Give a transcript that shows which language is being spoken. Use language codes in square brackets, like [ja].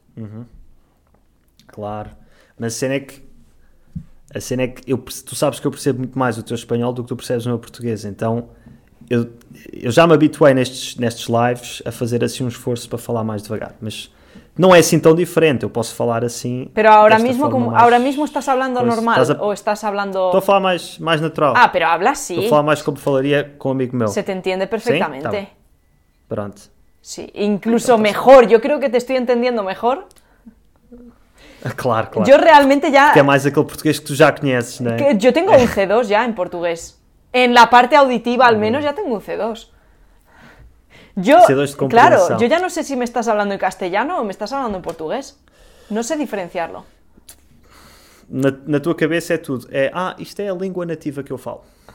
[pt] Uhum. Claro. Mas a cena é que tu sabes que eu percebo muito mais o teu espanhol do que tu percebes o meu português. Então, eu já me habituei nestes lives a fazer assim um esforço para falar mais devagar. Mas não é assim tão diferente. Eu posso falar assim. [es] Pero ahora mesmo, como, mais... ahora mismo estás hablando normal ou estás hablando. [pt] Estou a falar mais natural. [es] Ah, pero habla sim. [pt] Estou a falar mais como falaria com um amigo meu. [es] Se te entiende perfectamente. [pt] Tá. Pronto. Sim. [es] Sí. [pt] Incluso então, mejor. Eu creo que te estou entendendo mejor. Claro. Eu realmente já. Que é mais aquele português que tu já conheces, né? Que eu tenho um C2 já em português. Em [es] la parte auditiva, al menos, [pt] já tenho um C2. [es] Yo, claro, yo ya no sé si me estás hablando en castellano o me estás hablando en portugués. No sé diferenciarlo. [pt] Na tua cabeza é tudo. É, isto é a língua nativa que eu falo.